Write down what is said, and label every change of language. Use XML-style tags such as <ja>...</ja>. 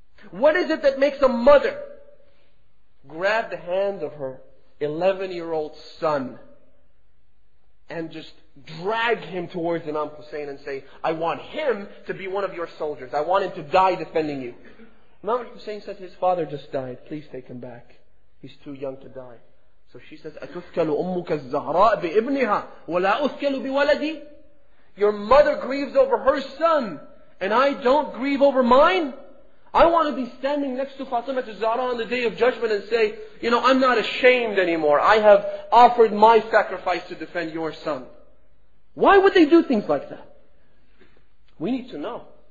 <en>What is it that makes a mother grab the hand of her 11-year-old son and just drag him towards Imam Hussein and say, I want him to be one of your soldiers. I want him to die defending you. Imam Hussein says, his father just died. Please take him back. He's too young to die.</en> <ar>So she says, أَتُثْكَلُ أُمُّكَ الزَّهْرَاءَ بِإِبْنِهَا وَلَا أُثْكَلُ بِوَلَدِي.</ar> <en>Your mother grieves over her son and I don't grieve over mine? I want to be standing next to Fatima al-Zahra on the Day of Judgment and say, you know, I'm not ashamed anymore. I have offered my sacrifice to defend your son. Why would they do things like that? We need to know.</en>